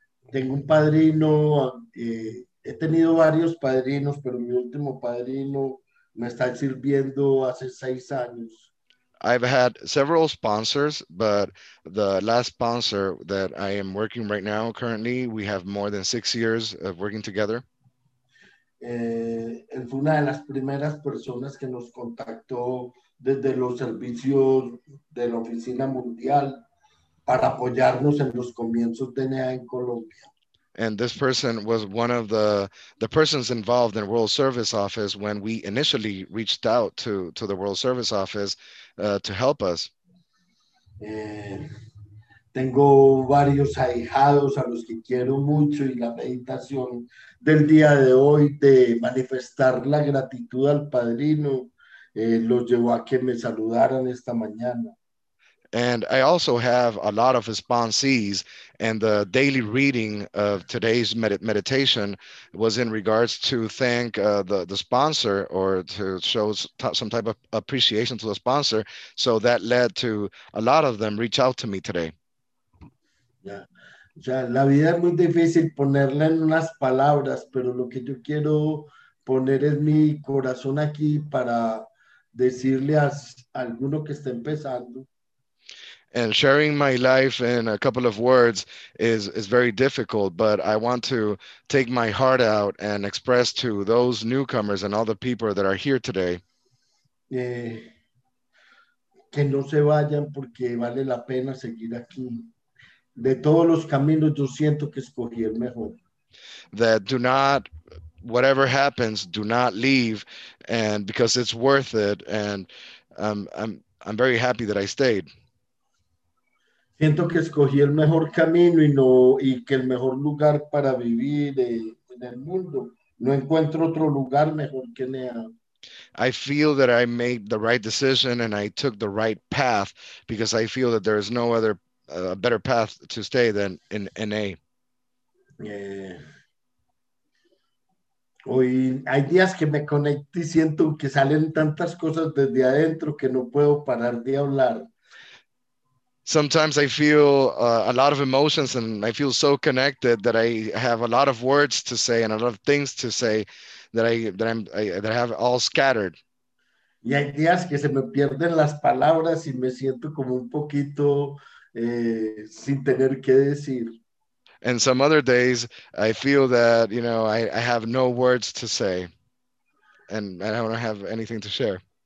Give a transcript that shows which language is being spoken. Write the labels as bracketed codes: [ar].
[es] Tengo un padrino, he tenido varios padrinos, pero mi último padrino me está sirviendo hace 6 años. [en] I've had several sponsors, but the last sponsor that I am working right now, currently, we have more than 6 years of working together. [es] Él fue una de las primeras personas que nos contactó desde los servicios de la oficina mundial para apoyarnos en los comienzos de NEA en Colombia. [en] And this person was one of the persons involved in World Service Office when we initially reached out to the World Service Office to help us. [es] Tengo varios ahijados a los que quiero mucho y la meditación del día de hoy de manifestar la gratitud al padrino los llevó a que me saludaran esta mañana. [en] And I also have a lot of sponsees, and the daily reading of today's meditation was in regards to thank the sponsor or to show some type of appreciation to the sponsor. So that led to a lot of them reach out to me today. Yeah. [es] O sea, la vida es muy difícil ponerla en unas palabras, pero lo que yo quiero poner es mi corazón aquí para decirle a alguno que está empezando. [en] And sharing my life in a couple of words is very difficult, but I want to take my heart out and express to those newcomers and all the people that are here today. [es] Que no se vayan porque vale la pena seguir aquí. De todos los caminos, yo siento que escogí el mejor. [en] That do not, whatever happens, do not leave, and because it's worth it, and I'm very happy that I stayed. [es] Siento que escogí el mejor camino y que el mejor lugar para vivir en el mundo. No encuentro otro lugar mejor que NEA. [en] I feel that I made the right decision and I took the right path because I feel that there is no other better path to stay than in NEA. [es] Hoy hay días que me conecto y siento que salen tantas cosas desde adentro que no puedo parar de hablar. [en] Sometimes I feel a lot of emotions and I feel so connected that I have a lot of words to say and a lot of things to say that I have all scattered. [es] Y hay días que se me pierden las palabras y me siento como un poquito sin tener qué decir. [en] And some other days I feel that, you know, I have no words to say and I don't have anything to share.